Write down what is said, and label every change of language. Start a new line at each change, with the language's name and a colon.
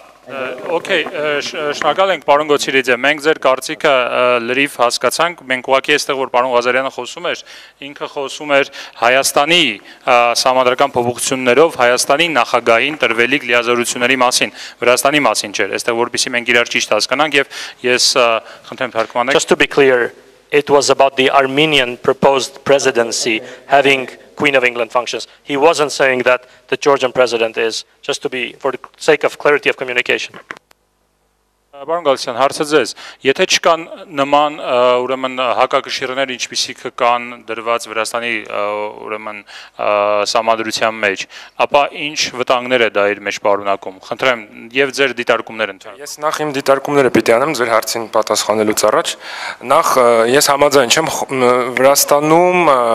Armenian: Okay, շնորհակալ ենք պարոն Գոցիրիձե։ Մենք ձեր կարծիքը լրիվ հասկացանք։ Մենք ուղղակի այստեղ, որ պարոն Ղազարյանը խոսում էր, ինքը խոսում էր Հայաստանի համանդրական փոփոխություններով Հայաստանի նախագահին տրվելիք լիազորությունների մասին, Վրաստանի մասին չէր, այստեղ որպեսի մենք իրար ճիշտ հասկանանք, եւ ես խնդրեմ թարգմանեք։
English: Just to be clear, it was about the Armenian proposed presidency having Queen of England functions. He wasn't saying that the Georgian president is, just to be, for the sake of clarity of communication.
Armenian: Բարոն Գալստյան, հարցը ձեզ, եթե չկան նման ուրեմն հակակշիռներ, ինչպիսիք կան դրված Վրաստանի ուրեմն համադրության մեջ, ապա ինչ վտանգներ է դա իր մեջ պարունակում։ Խնդրեմ, եւ ձեր դիտարկումները ընդհանրապես։ Ես նախ իմ դիտարկումները պիտի անեմ ձեր հարցին պատասխանելուց առաջ։ Նախ ես համաձայն չեմ Վրաստանում